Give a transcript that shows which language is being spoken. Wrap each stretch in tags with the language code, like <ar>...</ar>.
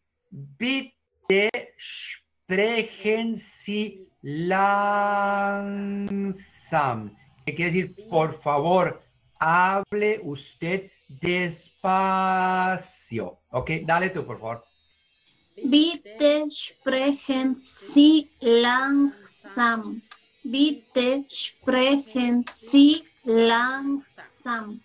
<de>Bitte sprechen Sie langsam.</de> <es>¿Qué quiere decir? Por favor, hable usted despacio. Ok, dale tú, por favor.</es> <de>Bitte sprechen Sie langsam. Bitte sprechen Sie langsam.</de>